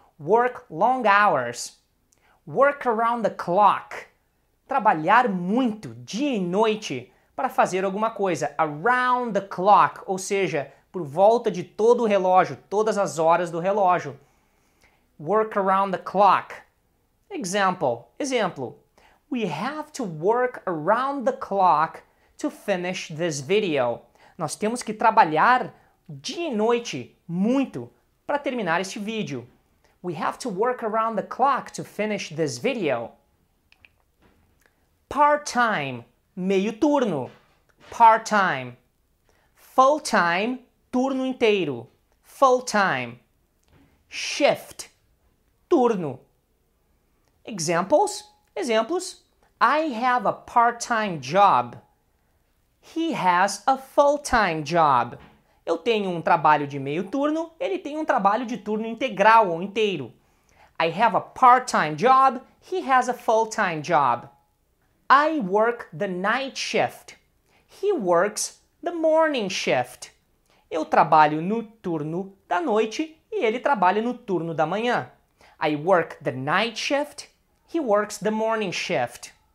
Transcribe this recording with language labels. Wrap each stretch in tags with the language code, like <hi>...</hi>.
<en>Work long hours. Work around the clock.</en> <pt>Trabalhar muito, dia e noite, para fazer alguma coisa.</pt> <en>Around the clock,</en> <pt>ou seja, por volta de todo o relógio, todas as horas do relógio.</pt> <en>Work around the clock. Exemplo. We have to work around the clock to finish this video.</en> <pt>Nós temos que trabalhar dia e noite muito para terminar este vídeo.</pt> <en>We have to work around the clock to finish this video. Part-time, meio turno. Part-time. Full-time, turno inteiro. Full-time.</en> <pt>Shift, turno. Exemplos.</pt> <en>I have a part-time job. He has a full-time job.</en> <pt>Eu tenho um trabalho de meio turno, ele tem um trabalho de turno integral ou inteiro.</pt> <en>I have a part-time job, he has a full-time job. I work the night shift. He works the morning shift.</en> <pt>Eu trabalho no turno da noite e ele trabalha no turno da manhã.</pt> <en>I work the night shift, he works the morning shift.</en>